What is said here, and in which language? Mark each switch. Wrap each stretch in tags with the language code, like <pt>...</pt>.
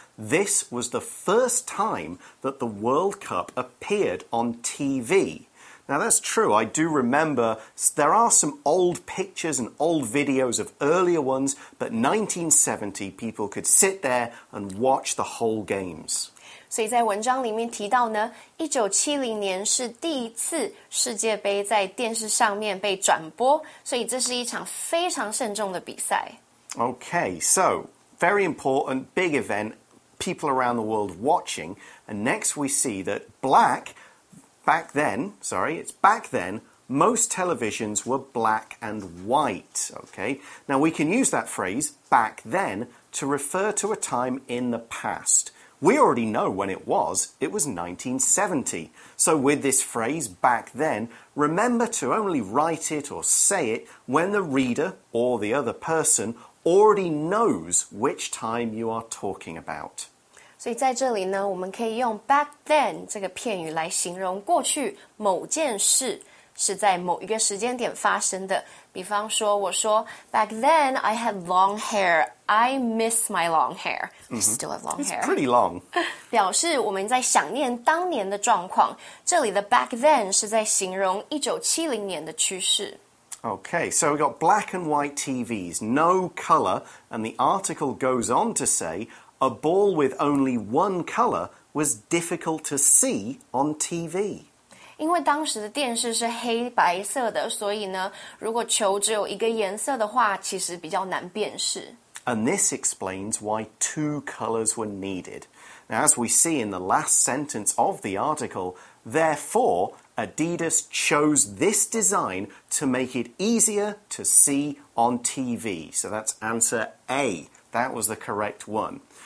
<en>This was the first time that the World Cup appeared on TV. Now that's true, I do remember there are some old pictures and old videos of earlier ones, but 1970 people could sit there and watch the whole games.</en> <zh>所以在文章里面提到呢1970年是第一次世界杯在电视上面被转播，所以这是一场非常慎重的比赛。</zh> <en>Okay, so very important, big event, people around the world watching, and next we see that back then, most televisions were black and white, okay? Now, we can use that phrase, back then, to refer to a time in the past. We already know when it was. It was 1970. So with this phrase, back then, remember to only write it or say it when the reader or the other person already knows which time you are talking about.</en> <zh>所以在这里呢我们可以用 back then 这个片语来形容过去某件事是在某一个时间点发生的。比方说我说</zh> <en>back then I had long hair. I miss my long hair. I still have long hair. It's pretty long.</en> <zh>表示我们在想念当年的状况。这里的 back then 是在形容1970年的趋势。</zh> <en>Okay, so we've got black and white TVs, no color, and the article goes on to say,A ball with only one color was difficult to see on TV.</en> <zh>因为当时的电视是黑白色的，所以呢，如果球只有一个颜色的话，其实比较难辨识。</zh> <en>And this explains why two colors were needed. Now, as we see in the last sentence of the article, therefore, Adidas chose this design to make it easier to see on TV. So that's answer A. That was the correct one.</en>